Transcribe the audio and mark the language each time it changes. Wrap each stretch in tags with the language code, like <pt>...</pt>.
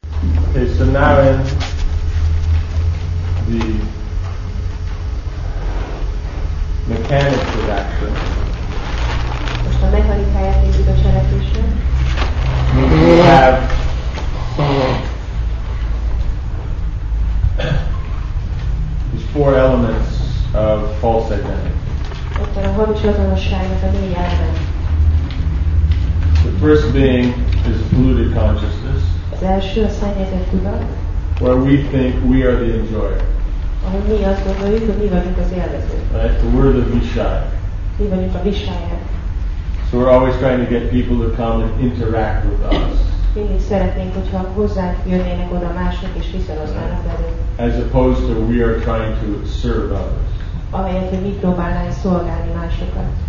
<en>Okay, so now in the mechanics of action.</en> <hu>Most a mechanikáját nézzük a cselekvésnek.</hu> <en>We have these four elements of false identity.</en> <hu>Ott a hamis azonosságnak a négy elemet.</hu> <en>The first being is polluted consciousness.</en> <hu>Az első a szennyezett tudat.</hu> <en>Where we think we are the enjoyer.</en> <hu>Ahol mi azt gondoljuk, hogy mi vagyunk az élvező.</hu> <en>Right, the word of Vishaya.</en> <hu>Mi vagyunk a Vishaya.</hu> <en>So we're always trying to get people to come and interact with us.</en> <hu>Mindig szeretnénk, hogyha hozzánk jönnének oda mások és viszonoznának velünk.</hu> <en>As opposed to we are trying to serve others.</en> <hu>Ahelyett, hogy mi próbálnánk szolgálni másokat.</hu>